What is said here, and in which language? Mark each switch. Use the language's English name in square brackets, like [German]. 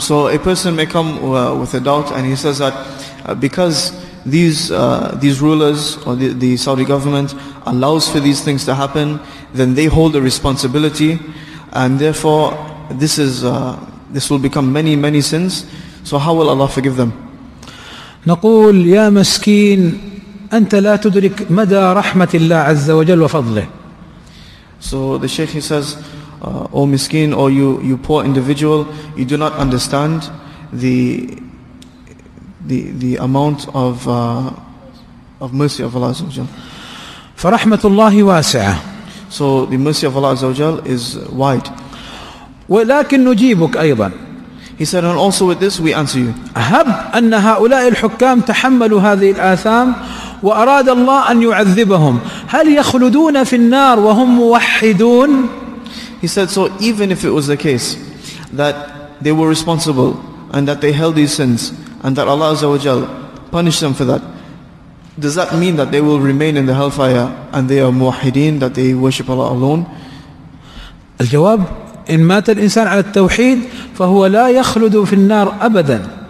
[English] So a person may come with a doubt and he says that because these rulers or the Saudi government allows for these things to happen, then they hold a responsibility, and therefore this will become many sins. So how will Allah forgive them? [Arabic] نقول يا مسكين أنت لا تدرك مدى رحمة الله عز وجل وفضله. [English] So the Sheikh, he says, O miskeen, or you poor individual, you do not understand the amount of mercy of Allah Azza wa Jal. [Arabic] فرحمة الله واسعة. [English] So the mercy of Allah Azza wa Jal is wide. [Arabic] ولكن نجيبك أيضا. [English] He said, and also with this, we answer you. [Arabic] هب أن هؤلاء الحكام تحملوا هذه الآثام وأراد الله أن يعذبهم. هل يخلدون في النار وهم موحدون؟ [English] He said, so even if it was the case that they were responsible and that they held these sins and that Allah Azza wa Jal punished them for that, does that mean that they will remain in the hellfire and they are muwahideen, that they worship Allah alone? [Arabic] الجواب إن مات الإنسان على التوحيد فهو لا يخلد في النار أبدا.